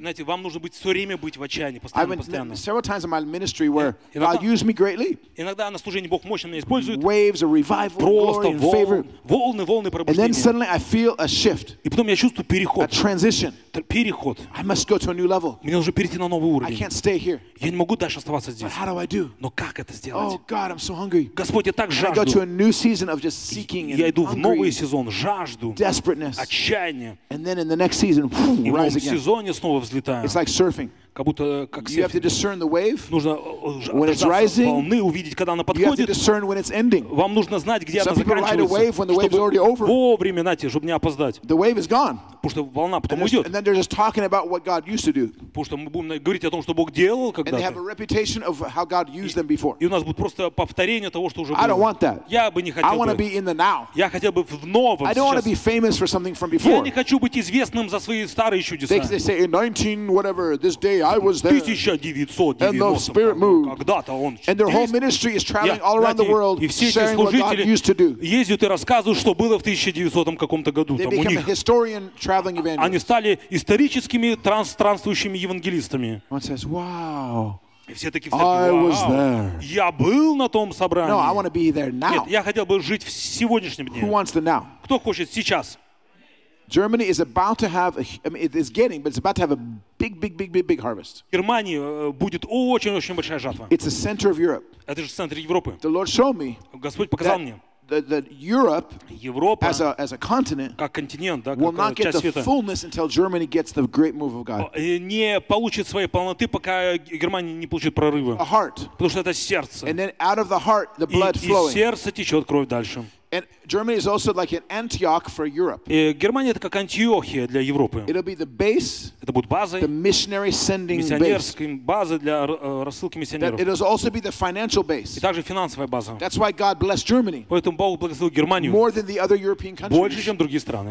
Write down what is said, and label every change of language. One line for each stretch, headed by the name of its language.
Russian: Знаете, вам нужно быть все время быть в отчаянии, постоянно, постоянно.
English: I've been several times in my ministry where God used me greatly.
Russian: Иногда на служении Бог мощно меня использует.
English: Waves of revival,
Russian: просто
English: glory, and favor.
Russian: Волны, волны пробуждения.
English: And then suddenly I feel a shift.
Russian: И потом я чувствую переход.
English: A transition.
Russian: Переход.
English: I must go to a new level.
Russian: Мне нужно перейти на новый уровень.
English: I can't stay here.
Russian: Я не могу дальше оставаться здесь.
English: But how do I do?
Russian: Но как это сделать?
English: Oh God, I'm so hungry.
Russian: Господь, я так жажду.
English: I go to a new season of just seeking and
Russian: я иду
English: hungry,
Russian: в новый сезон, жажду.
English: Desperate.
Russian: Отчаяние.
English: And then in the next season, rise again.
Russian: В сезоне снова взлетаем.
English: It's like surfing.
Russian: Как будто как
English: you have to discern the wave.
Russian: Нужно
English: when it's rising,
Russian: волны увидеть, когда она подходит.
English: You have to discern when it's ending.
Russian: Вам нужно знать, где
English: some
Russian: она заканчивается.
English: Ride a wave when the wave is already over.
Russian: Вовремя, знаете, чтобы не опоздать.
English: The wave is gone.
Russian: Потому что волна потом
English: and
Russian: уйдет.
English: And then they're just talking about what God used to do.
Russian: Потому что мы будем говорить о том, что Бог делал когда-то.
English: And they have a reputation of how God used them before.
Russian: И у нас будет просто повторение того, что уже было.
English: I don't want that.
Russian: Я бы не хотел.
English: I want to be in the now.
Russian: Я хотел бы в новом сейчас.
English: I don't want to be famous for something from before.
Russian: Я не хочу быть известным за свои старые чудеса.
English: They say in 19 whatever this day. I was there. And the Spirit moved. And their whole ministry is traveling all around the world, sharing what God used to do.
Russian: Ездят и рассказывают, что было в 1900 каком-то году.
English: They became a historian traveling evangelist.
Russian: Они стали историческими странствующими евангелистами.
English: One says, "Wow."
Russian: И все такие встали, я был на том собрании.
English: No, I want to be there now.
Russian: Нет, я хотел бы жить в сегодняшнем дне.
English: Who wants the now?
Russian: Кто хочет сейчас?
English: Germany is about to have. I mean, it's getting, but it's about to have a big, big, big, big, big harvest.
Russian: Германия будет очень, очень большая жатва.
English: It's the center of Europe.
Russian: Это же центр Европы.
English: The Lord showed me.
Russian: Господь показал мне.
English: That Europe,
Russian: Европа,
English: as a continent,
Russian: как континент, да,
English: will
Russian: как
English: not get the
Russian: света.
English: Fullness until Germany gets the great move of God.
Russian: Не получит своей полноты, пока Германия не получит прорыва.
English: A heart.
Russian: Потому что это сердце.
English: And then out of the heart, the blood flowing.
Russian: И сердце течет кровь дальше.
English: And Germany is also like an Antioch for Europe.
Russian: Германия это как Антиохия для Европы.
English: It'll be the base.
Russian: Это будет базой.
English: The missionary sending base.
Russian: Миссионерской базой для рассылки миссионеров.
English: It'll also be the financial base.
Russian: И также финансовая база.
English: That's why God blessed Germany.
Russian: Поэтому Бог благословил Германию.
English: More than the other European countries.
Russian: Больше, чем другие страны.